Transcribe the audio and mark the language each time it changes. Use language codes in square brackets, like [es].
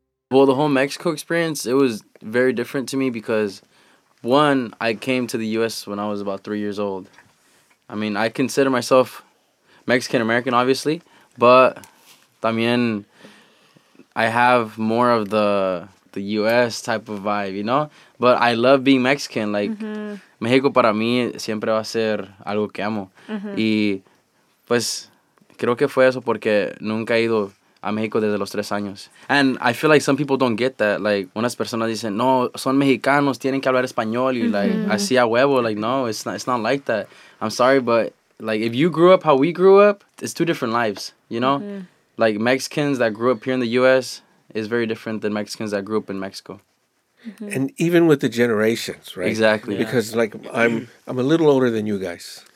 [en] Well, the whole Mexico experience, it was very different to me because, one, I came to the U.S. when I was about 3 years old. I mean, I consider myself Mexican-American, obviously, but también I have more of the U.S. type of vibe, you know? But I love being Mexican. [es] Like, Mexico para mí siempre va a ser algo que amo. Y pues creo que fue eso porque nunca he ido a México desde los 3 años. [en] And I feel like some people don't get that. [es] Like, unas personas dicen, no, son mexicanos, tienen que hablar español. [en] Y like, [es] así a huevo. [en] Like, no, it's not like that. I'm sorry, but like, if you grew up how we grew up, it's two different lives, you know? Like, Mexicans that grew up here in the U.S. is very different than Mexicans that grew up in Mexico. And even with the generations, right? Exactly. Yeah. Because, like, I'm a little older than you guys.